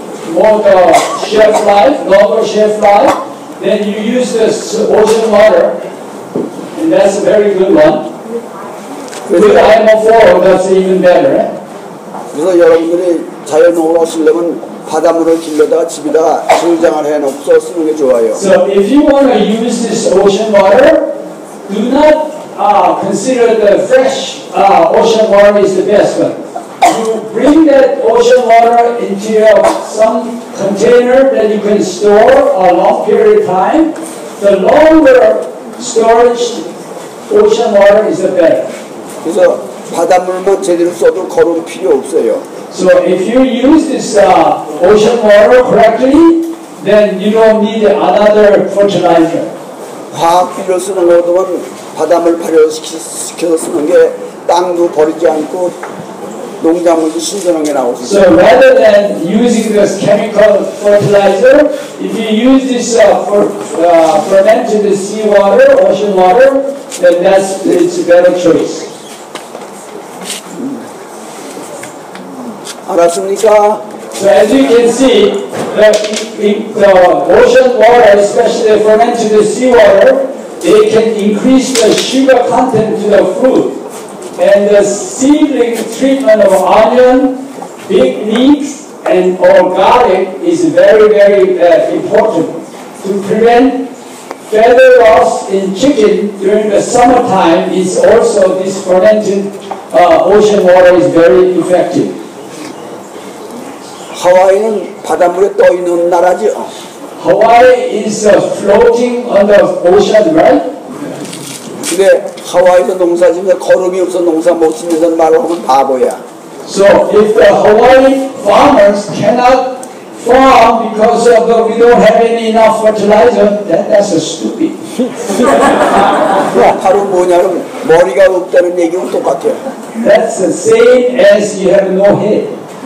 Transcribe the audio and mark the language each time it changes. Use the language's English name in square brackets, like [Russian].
[English] water shelf life, normal shelf life, then you use this ocean water, and that's a very good one. With IMO4, that's even better. [Korean] 그래서 여러분들이 자연농을 하시려면 바닷물을 길러다가 집에다 수장을 해놓고 쓰는 게 좋아요. [English] So if you want to use this ocean water, do not consider the fresh ocean water is the best one. You bring that ocean water into some container that you can store a long period of time. The longer storage ocean water is the better. [Korean] 그래서 바닷물만 제대로 써도 걸을 필요 없어요. [English] So if you use this ocean water correctly, then you don't need another fertilizer. [Korean] 화학비료 쓰는 것보다는 바닷물 발효시켜서 쓰는 게 땅도 버리지 않고 농작물도 신선하게 나올 수 있어요. [English] So rather than using this chemical fertilizer, if you use this fermented seawater, ocean water, then that's it's a better choice. [Korean] 알았습니까? [English] So as you can see, the ocean water, especially fermented seawater, they can increase the sugar content to the fruit. And the seedling treatment of onion, big leeks, and or garlic is very, very important to prevent feather loss in chicken during the summertime. It's also this fermented ocean water is very effective. [Korean] 하와이는 바닷물에 떠 있는 나라죠. [English] Hawaii is floating on the ocean, right? [Korean] 근데 하와이에서 농사 짓는데 거름이 없어 농사 못 짓는다는 말을 하면 바보야. [English] So if the Hawaii farmers cannot farm because of the we don't have any enough fertilizer, that's a stupid. [Korean] 바로 뭐냐면 머리가 없다는 얘기와 똑같아요. [English] That's the same as you have no head.